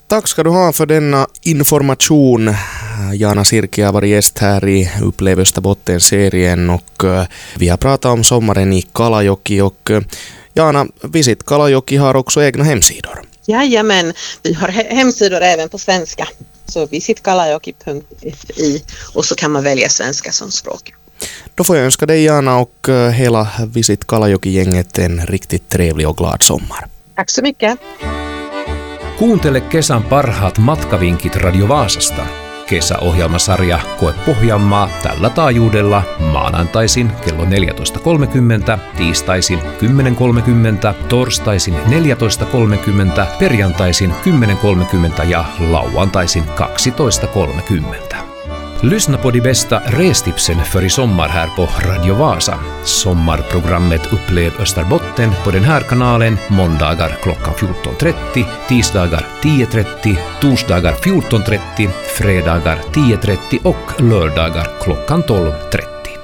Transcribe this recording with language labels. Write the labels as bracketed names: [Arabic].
[Swedish] Tack ska du ha för denna information. Jana Sirkia var gäst här i Upplev Österbotten-serien och vi har pratat om sommaren i Kalajoki och Jana, Visit Kalajoki har också egna hemsidor. Jajamän, vi har hemsidor även på svenska. Så visitkalajoki.fi och så kan man välja svenska som språk. Då får jag önska dig Jana och hela Visit Kalajoki-gänget en riktigt trevlig och glad sommar. Tack så mycket. [Finnish] Kuuntele kesän parhaat matkavinkit Radio Vaasasta. Kesäohjelmasarja Koe Pohjanmaa tällä taajuudella maanantaisin kello 14.30, tiistaisin 10.30, torstaisin 14.30, perjantaisin 10.30 ja lauantaisin 12.30. [Swedish] Lyssna på de bästa restipsen för i sommar här på Radio Vaasa. Sommarprogrammet Upplev Österbotten på den här kanalen måndagar klockan 14.30, tisdagar 10.30, torsdagar 14.30, fredagar 10.30 och lördagar klockan 12.30.